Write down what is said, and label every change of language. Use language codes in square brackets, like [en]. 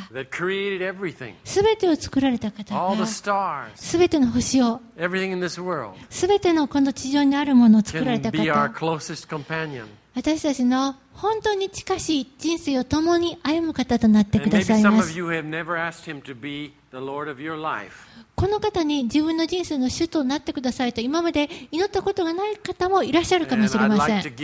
[en] that created everything, [ja] 全てを作られた方が、 [en] all the stars, [ja] 全ての星を、 [en] everything in this world, [ja] 全てのこの地上にあるものを作られた方、 [en] can be our closest companion. [ja] 私たちの本当に近しい人生を共に歩む方となってくださいます。 [en] And maybe some of you have never asked him to be the Lord of your life. [ja] この方に自分の人生の主となってくださいと今まで祈ったことがない方もいらっしゃるかもしれません。